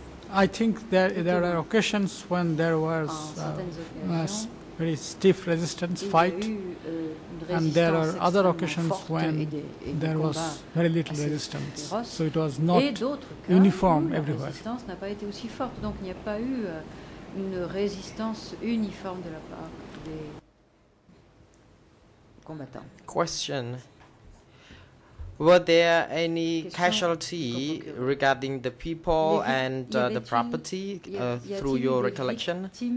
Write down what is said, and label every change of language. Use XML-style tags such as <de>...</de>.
<en>I think there are occasions when there was very stiff resistance fight, and there are other occasions when there was very little resistance. So it was not uniform everywhere.</en> <fr>Résistance n'a pas été aussi forte, donc il n'y a pas eu une résistance uniforme de la part des combattants.</fr> <en>Question: were there any casualty regarding the people and the property through your recollection?</en>